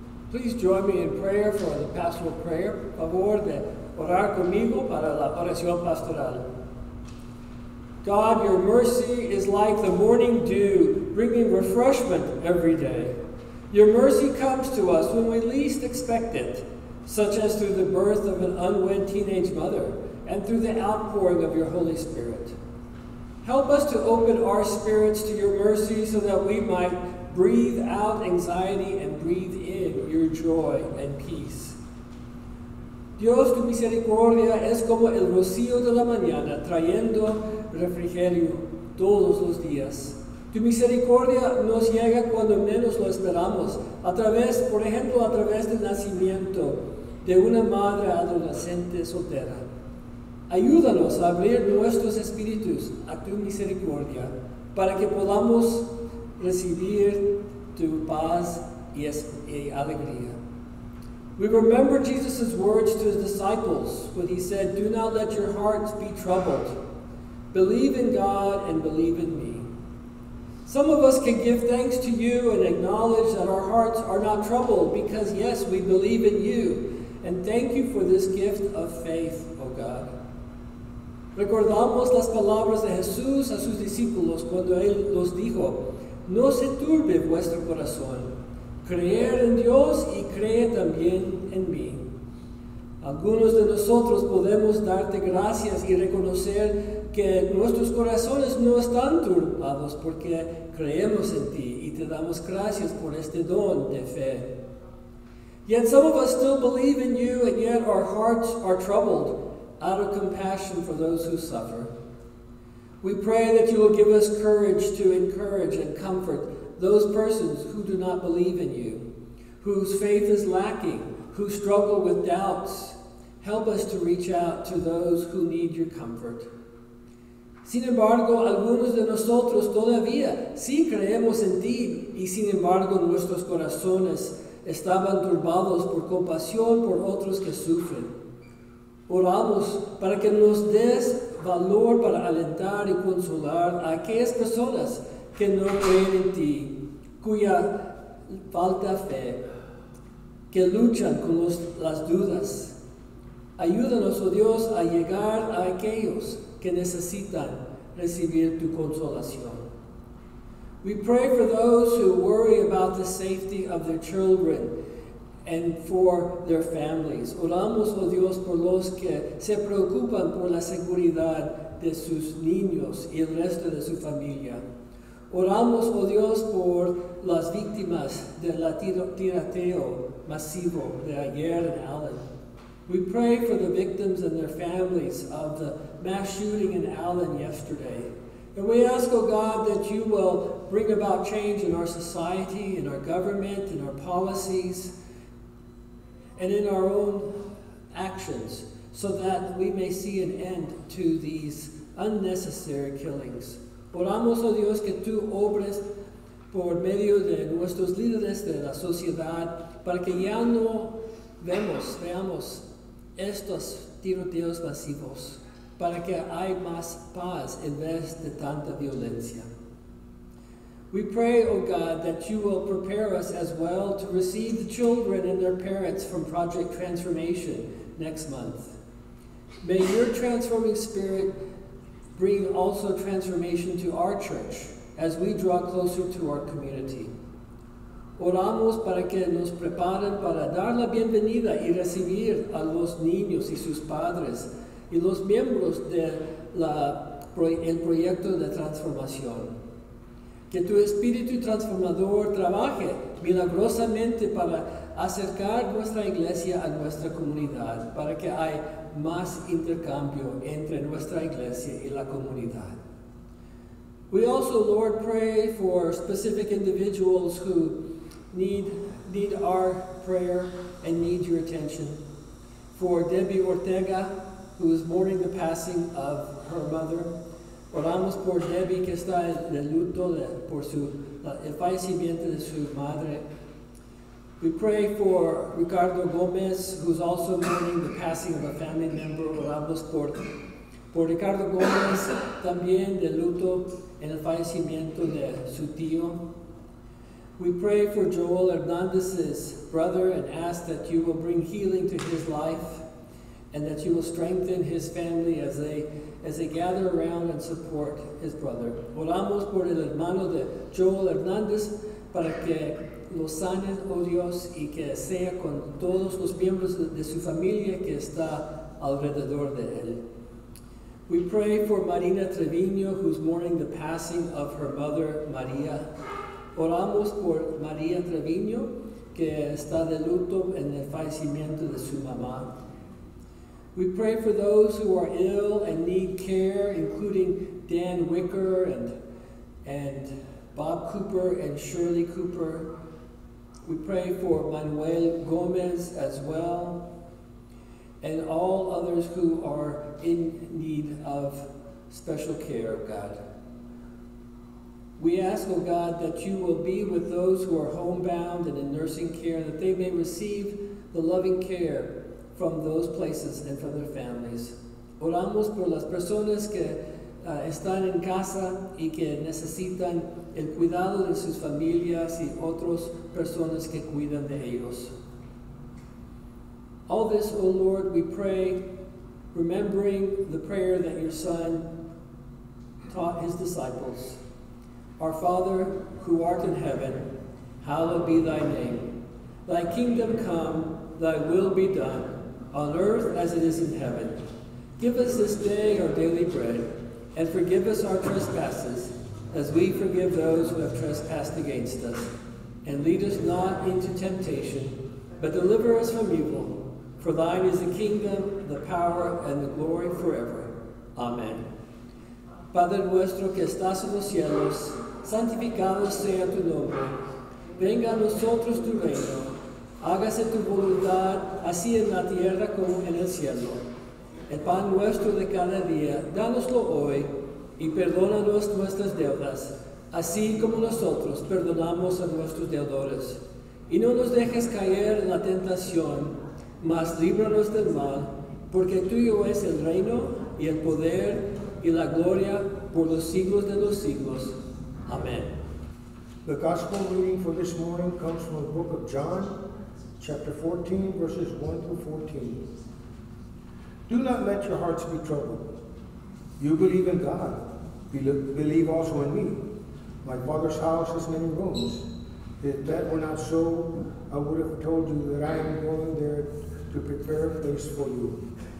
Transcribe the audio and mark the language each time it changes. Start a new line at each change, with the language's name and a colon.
English: Please join me in prayer for the pastoral prayer.
Spanish: Favor de orar conmigo para la oración pastoral.
English: God, your mercy is like the morning dew, bringing refreshment every day. Your mercy comes to us when we least expect it, such as through the birth of an unwed teenage mother and through the outpouring of your Holy Spirit. Help us to open our spirits to your mercy so that we might breathe out anxiety and breathe in your joy and peace.
Spanish: Dios, tu misericordia es como el rocío de la mañana, trayendo refrigerio todos los días. Tu misericordia nos llega cuando menos lo esperamos, a través, por ejemplo, a través del nacimiento de una madre adolescente soltera. Ayúdanos a abrir nuestros espíritus a tu misericordia para que podamos recibir tu paz y alegría.
English: We remember Jesus' words to his disciples when he said, "Do not let your hearts be troubled. Believe in God and believe in me." Some of us can give thanks to you and acknowledge that our hearts are not troubled because, yes, we believe in you. And thank you for this gift of faith, O God.
Spanish: Recordamos las palabras de Jesús a sus discípulos cuando él los dijo, "No se turbe vuestro corazón. Creer en Dios y cree también en mí." Algunos de nosotros podemos darte gracias y reconocer que nuestros corazones no están turbados porque creemos en ti y te damos gracias por este don de fe.
English: Yet some of us still believe in you and yet our hearts are troubled out of compassion for those who suffer. We pray that you will give us courage to encourage and comfort those persons who do not believe in you, whose faith is lacking, who struggle with doubts. Help us to reach out to those who need your comfort.
Spanish: Sin embargo, algunos de nosotros todavía sí creemos en ti, y sin embargo nuestros corazones estaban turbados por compasión por otros que sufren. Oramos para que nos des valor para alentar y consolar a aquellas personas que no creen en ti, cuya falta fe, que luchan con las dudas. Ayúdanos, oh Dios, a llegar a aquellos que necesitan recibir tu consolación.
English: We pray for those who worry about the safety of their children and for their families.
Spanish: Oramos, oh Dios, por los que se preocupan por la seguridad de sus niños y el resto de su familia. Oramos, oh Dios, por las víctimas del tiroteo masivo de ayer en Allen.
English: We pray for the victims and their families of the mass shooting in Allen yesterday. And we ask, oh God, that you will bring about change in our society, in our government, in our policies, and in our own actions, so that we may see an end to these unnecessary killings.
Spanish: Oramos, oh Dios, que tú obres por medio de nuestros líderes de la sociedad para que ya no veamos estos tiroteos masivos, para que haya más paz en vez de tanta violencia.
English: We pray, O God, that you will prepare us as well to receive the children and their parents from Project Transformation next month. May your transforming spirit bring also transformation to our church as we draw closer to our community.
Spanish: Oramos para que nos preparen para dar la bienvenida y recibir a los niños y sus padres y los miembros del proyecto de transformación. Que tu espíritu transformador trabaje milagrosamente para acercar nuestra iglesia a nuestra comunidad, para que haya más intercambio entre nuestra iglesia y la comunidad.
English: We also, Lord, pray for specific individuals who need our prayer and need your attention. For Debbie Ortega, who is mourning the passing of her mother.
Spanish: Oramos por Debbie, que está de luto por el fallecimiento de su madre.
English: We pray for Ricardo Gomez, who's also mourning the passing of a family member.
Spanish: Oramos por Ricardo Gomez, también de luto en el fallecimiento de su tío.
English: We pray for Joel Hernandez's brother and ask that you will bring healing to his life and that you will strengthen his family as they gather around and support his brother.
Spanish: Oramos por el hermano de Joel Hernandez para que lo sane, oh Dios, y que sea con todos los miembros de su familia que está alrededor de él.
English: We pray for Marina Trevino, who's mourning the passing of her mother, Maria.
Spanish: Oramos por María Treviño, que está de luto en el fallecimiento de su mamá.
English: We pray for those who are ill and need care, including Dan Wicker and Bob Cooper and Shirley Cooper. We pray for Manuel Gomez as well, and all others who are in need of special care, God. We ask, O God, that you will be with those who are homebound and in nursing care, that they may receive the loving care from those places and from their families.
Spanish: Oramos por las personas que están en casa y que necesitan el cuidado de sus familias y otras personas que cuidan de ellos.
English: All this, O Lord, we pray, remembering the prayer that your Son taught his disciples. Our Father, who art in heaven, hallowed be thy name. Thy kingdom come, thy will be done, on earth as it is in heaven. Give us this day our daily bread, and forgive us our trespasses, as we forgive those who have trespassed against us. And lead us not into temptation, but deliver us from evil. For thine is the kingdom, the power, and the glory forever. Amen.
Spanish: Padre nuestro que estás en los cielos, santificado sea tu nombre. Venga a nosotros tu reino. Hágase tu voluntad, así en la tierra como en el cielo. El pan nuestro de cada día, dánoslo hoy, y perdónanos nuestras deudas, así como nosotros perdonamos a nuestros deudores. Y no nos dejes caer en la tentación, mas líbranos del mal, porque tuyo es el reino y el poder y la gloria por los siglos de los siglos. Amen.
English: The gospel reading for this morning comes from the book of John, chapter 14, verses 1 through 14. Do not let your hearts be troubled. You believe in God, believe also in me. My father's house has many rooms. If that were not so, I would have told you that I am going there to prepare a place for you.